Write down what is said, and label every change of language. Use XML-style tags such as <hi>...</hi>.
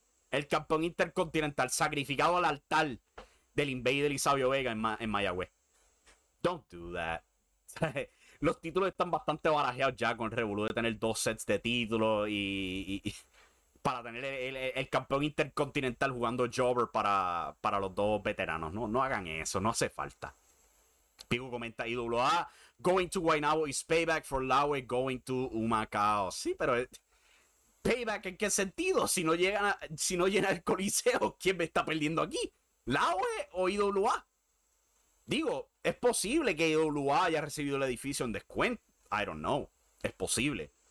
<es>El campeón intercontinental sacrificado al altar del Invader y Sabio Vega en Mayagüez. Don't do that. Los títulos están bastante barajeados ya con el revolú de tener dos sets de títulos y para tener el campeón intercontinental jugando jobber para los dos veteranos. No hagan eso, no hace falta.</es> <en>Pico comenta, IWA going to Guaynabo is payback for Laue going to Humacao.</en> <es>Sí, pero ¿payback en qué sentido? Si no llena el Coliseo, ¿quién me está perdiendo aquí? ¿Laue o IWA? Digo, es posible que IWA haya recibido el edificio en descuento. I don't know. Es posible.</es>